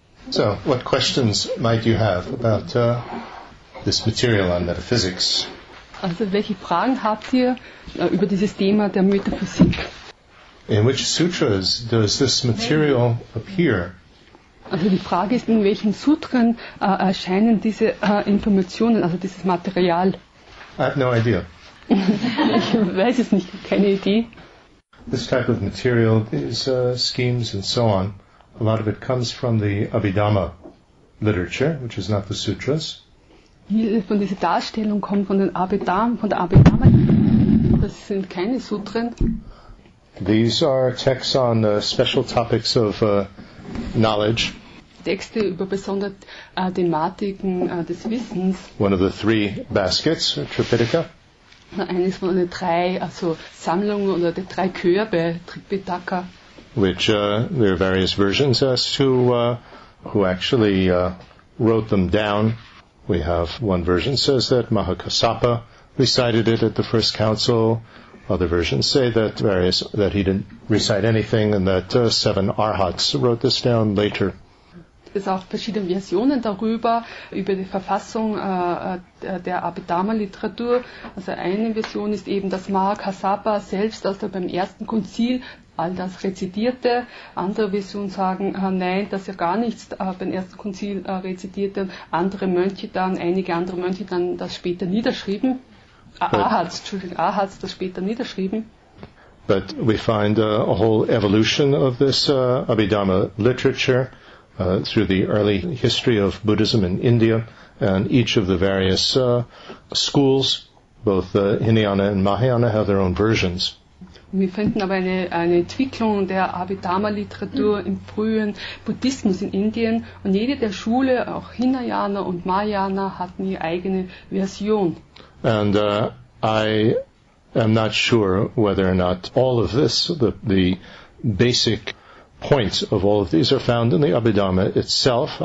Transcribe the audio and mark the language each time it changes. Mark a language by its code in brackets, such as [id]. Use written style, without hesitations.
[en] So, what questions might you have about this material on metaphysics? [de] Also, welche Fragen habt ihr über dieses Thema der Metaphysik? [en] In which sutras does this material appear? [de] Also, die Frage ist, in welchen Sutren erscheinen diese Informationen, also dieses Material? [en] I have no idea. [de] Ich weiß es nicht, keine Idee. [en] This type of material, these schemes and so on, a lot of it comes from the Abhidhamma literature, which is not the sutras. [de] Von dieser Darstellung kommt von den Abhidhamma, von der Abhidhamma. Das sind keine Sutren. [en] These are texts on special topics of knowledge. [de] Texte über besondere Thematiken des Wissens. [en] One of the three baskets, Tripitaka. [de] Eines von den drei, also Sammlungen oder der drei Körbe, Tripitaka. [en] Which there are various versions as to who actually wrote them down. We have one version says that Mahakasapa recited it at the first council. Other versions say that that he didn't recite anything and that seven arhats wrote this down later. [de] Es gibt auch verschiedene Versionen darüber, über die Verfassung der Abhidhamma-Literatur. Also eine Version ist eben, dass Mahakasapa selbst, als er beim ersten Konzil all das rezitierte. Andere Versionen sagen, nein, dass er gar nichts beim ersten Konzil rezitierte. Andere Mönche dann, einige andere Mönche dann das später niederschrieben. Ahats das später niederschrieben. [en] But we find a whole evolution of this Abhidhamma literature through the early history of Buddhism in India and each of the various schools, both Hinayana and Mahayana, have their own versions. [de] Wir finden aber eine Entwicklung der Abhidhamma-Literatur im frühen Buddhismus in Indien und jede der Schule, auch Hinayana und Mahayana, hatten ihre eigene Version. [en] And I am not sure whether or not all of this, the basic points of all of these are found in the Abhidhamma itself.